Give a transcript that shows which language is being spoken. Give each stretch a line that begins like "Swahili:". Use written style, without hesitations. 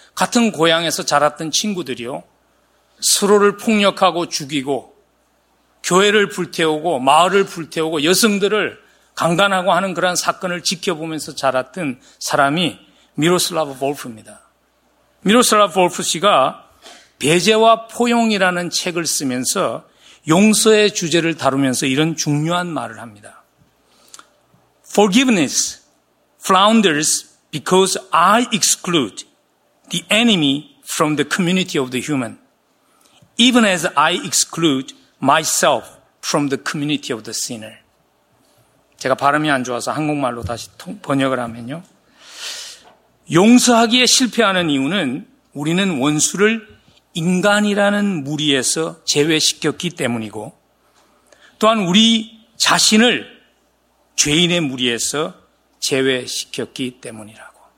Korean: 같은 고향에서 자랐던 친구들이요. 서로를 폭력하고 죽이고 교회를 불태우고 마을을 불태우고 여성들을 강간하고 하는 그런 사건을 지켜보면서 자랐던 사람이 미로슬라브 볼프입니다. 미로슬라브 볼프 씨가 배제와 포용이라는 책을 쓰면서 용서의 주제를 다루면서 이런 중요한 말을 합니다.
English: Forgiveness flounders because I exclude the enemy from the community of the human, even as I exclude myself from the community of the sinner.
Korean: 제가 발음이 안 좋아서 한국말로 다시 번역을 하면요. 용서하기에 실패하는 이유는 우리는 원수를 인간이라는 무리에서 제외시켰기 때문이고 또한 우리 자신을 죄인의 무리에서 제외시켰기 때문이라고.